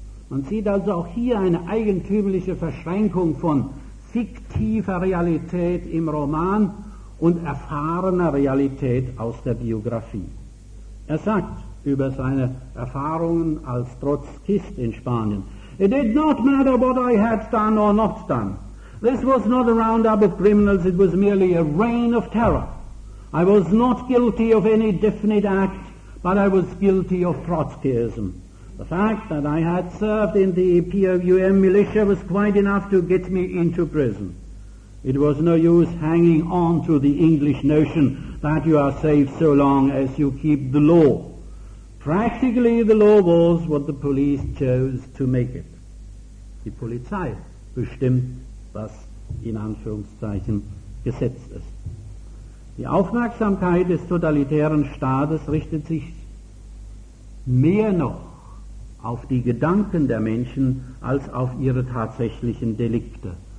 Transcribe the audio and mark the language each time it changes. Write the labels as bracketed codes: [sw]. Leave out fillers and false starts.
[de] Man sieht also auch hier eine eigentümliche Verschränkung von fiktiver Realität im Roman und erfahrener Realität aus der Biografie. Er sagt über seine Erfahrungen als Trotzkist in Spanien: [en] "It did not matter what I had done or not done. This was not a roundup of criminals, it was merely a reign of terror. I was not guilty of any definite act, but I was guilty of Trotskyism. The fact that I had served in the POUM militia was quite enough to get me into prison. It was no use hanging on to the English notion that you are safe so long as you keep the law. Practically, the law was what the police chose to make it." [de] Die Polizei bestimmt, was in Anführungszeichen Gesetz ist. Die Aufmerksamkeit des totalitären Staates richtet sich mehr noch auf die Gedanken der Menschen als auf ihre tatsächlichen Delikte.